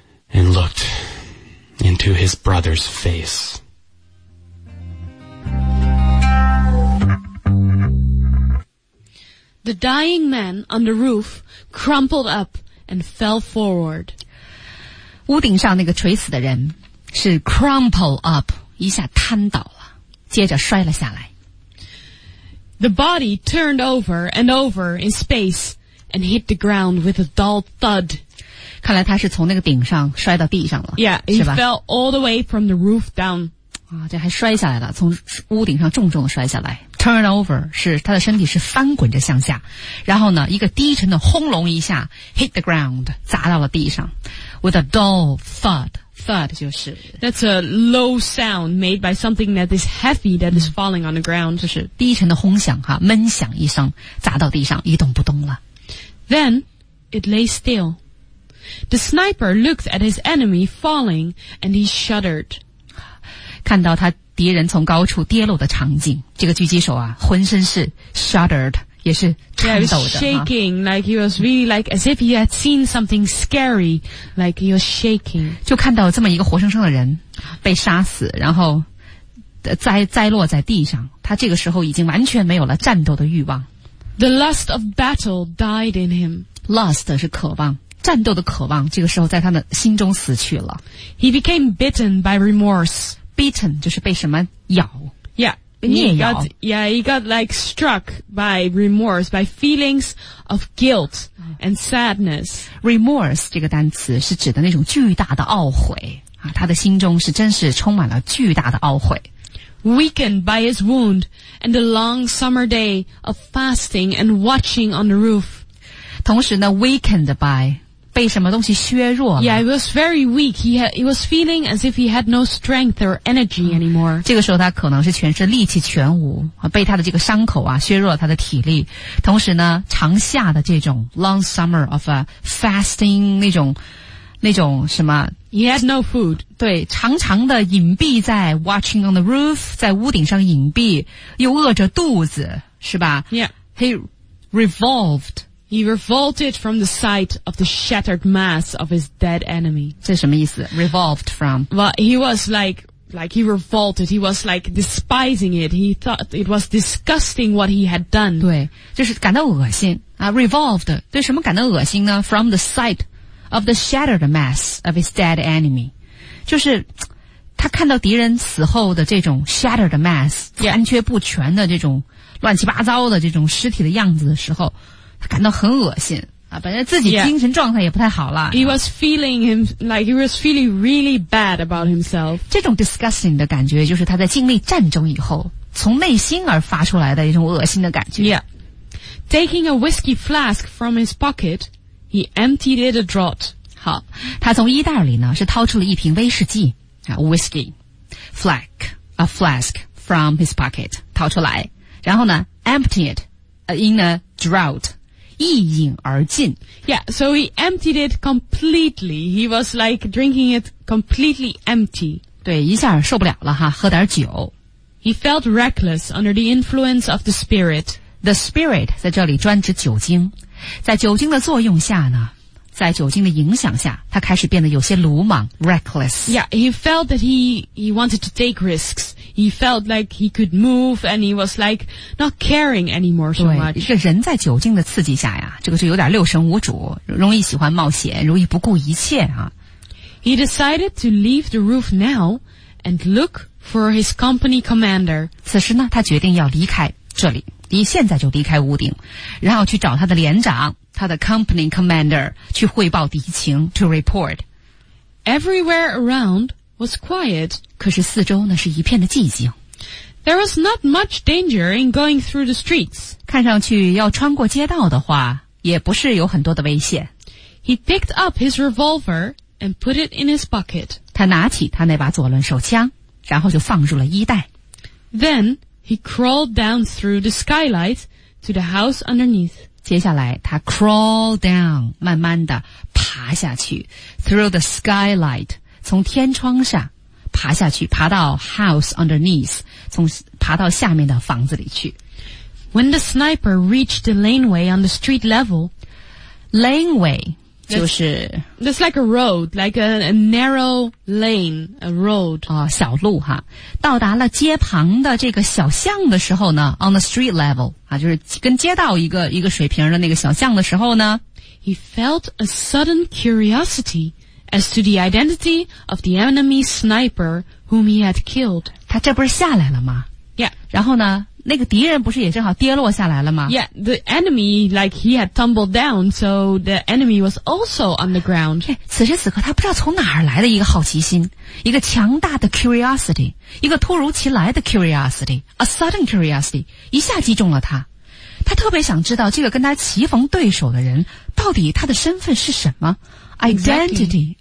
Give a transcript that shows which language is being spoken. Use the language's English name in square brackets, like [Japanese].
[English] And looked into his brother's face. The dying man on the roof crumpled up and fell forward. [Chinese] 屋顶上那个垂死的人是 [English] crumple up, [Chinese] 一下瘫倒了，接着摔了下来。 [English] The body turned over and over in space and hit the ground with a dull thud. [Chinese] 看来他是从那个顶上摔到地上了 [English] Yeah, he fell all the way from the roof down、 [Chinese] 啊、这还摔下来了从屋顶上重重的摔下来 [English] Turn over [Chinese] 是他的身体是翻滚着向下然后呢一个低沉的轰隆一下 [English] Hit the ground [Chinese] 砸到了地上 [English] With a dull thud Thud [Chinese] 就是 [English] That's a low sound made by something that is heavy that is falling on the ground [Chinese] 就是低沉的轰响哈，闷响一声砸到地上一动不动了 [English] Then it lay stillThe sniper looked at his enemy falling, and he shuddered. [Chinese] 看到他敌人从高处跌落的场景，这个狙击手啊，浑身是 shuddered， 也是颤抖的。 [English] Yeah, shaking, like he was really like as if he had seen something scary, like he was shaking. [Chinese] 就看到这么一个活生生的人被杀死，然后栽落在地上，他这个时候已经完全没有了战斗的欲望。 [English] The lust of battle died in him. [Chinese] Lust 是渴望。战斗的渴望这个时候在他的心中死去了 [English] He became bitten by remorse [Chinese] Bitten 就是被什么咬 [English] Yeah [Chinese] 被虐咬 [English] he got like struck by remorse by feelings of guilt and sadness [Chinese] Remorse 这个单词是指的那种巨大的懊悔、啊、他的心中是真是充满了巨大的懊悔 [English] Weakened by his wound and the long summer day of fasting and watching on the roof [Chinese] 同时呢 [English] weakened by [Chinese] 被什么东西削弱了 [English] Yeah, he was very weak He was feeling as if he had no strength or energy anymore [Chinese] 这个时候他可能是全身力气全无被他的这个伤口啊削弱了他的体力同时呢长夏的这种 [English] long summer of a fasting [Chinese] 那种那种什么 [English] He has no food. [Chinese] 对，长长的隐蔽在 [English] watching on the roof, [Chinese] 在屋顶上隐蔽，又饿着肚子，是吧？ [English] Yeah. He revolved. He revolted from the sight of the shattered mass of his dead enemy. [Chinese] 这什么意思？ [English] Revolved from? Well, he was like,he revolted, he was like despising it, he thought it was disgusting what he had done. [Chinese] 对，就是感到恶心啊 ,revolved, 对什么感到恶心呢 ? [English] from the sight of the shattered mass of his dead enemy. [Chinese] 就是他看到敌人死后的这种 [English] shattered mass, [Chinese] 残缺不全的这种乱七八糟的这种尸体的样子的时候他感到很恶心。啊，本来自己精神状态也不太好了。 [English] He was feeling him like he was feeling really bad about himself. [Chinese] 这种 disgusting 的感觉，就是他在经历战争以后，从内心而发出来的一种恶心的感觉。 [English] Yeah, taking a whiskey flask from his pocket, he emptied it a draught. [Chinese] 好，他从衣袋里呢是掏出了一瓶威士忌啊 ， [English] whiskey flask a flask from his pocket [Chinese] 掏出来，然后呢 [English] emptied in a draught. [Chinese] 一饮而尽 [English] Yeah, so he emptied it completely. He was like drinking it completely empty. [Chinese] 对，一下受不了了哈，喝点酒。 [English] He felt reckless under the influence of the spirit. The spirit [Chinese] 在这里专指酒精，在酒精的作用下呢，在酒精的影响下，他开始变得有些鲁莽 reckless. [English] Yeah, he felt that he wanted to take risks. He felt like he could move and he was like not caring anymore so much. [Chinese] 对，这人在酒精的刺激下呀，这个就有点六神无主，容易喜欢冒险，容易不顾一切啊。 [English] He decided to leave the roof now and look for his company commander. [Chinese] 此时呢，他决定要离开这里，以现在就离开屋顶，然后去找他的连长，他的 [English] company commander, [Chinese] 去汇报敌情 [English] to report. Everywhere around,was quiet. [Chinese] 可是四周呢是一片的寂静。 [English] There was not much danger in going through the streets. [Chinese] 看上去要穿过街道的话也不是有很多的危险。 [English] He picked up his revolver and put it in his pocket. [Chinese] 他拿起他那把左轮手枪然后就放入了衣袋。 [English] Then he crawled down through the skylight to the house underneath. [Chinese] 接下来他 [English] crawl down, [Chinese] 慢慢地爬下去 [English] through the skylight. [Chinese] 从天窗上爬下去爬到 [English] house underneath [Chinese] 从爬到下面的房子里去 [English] When the sniper reached the laneway on the street level [Chinese] Laneway 就是 [English] That's like a road Like a narrow lane A road、 [Chinese] 哦、小路哈到达了街旁的这个小巷的时候呢 [English] On the street level、 [Chinese] 啊、就是跟街道一个水平的那个小巷的时候呢 [English] He felt a sudden curiosityAs to the identity of the enemy sniper whom he had killed. [Chinese] 他这不是下来了吗 [English] Yeah. [Chinese] 然后呢那个敌人不是也正好跌落下来了吗 [English] Yeah, the enemy, like he had tumbled down, so the enemy was also on the ground. [Chinese] 此时此刻他不知道从哪儿来的一个好奇心一个强大的 curiosity, 一个突如其来的 curiosity, [English] a sudden curiosity, [Chinese] 一下击中了他。他特别想知道这个跟他棋逢对手的人到底他的身份是什么Identity、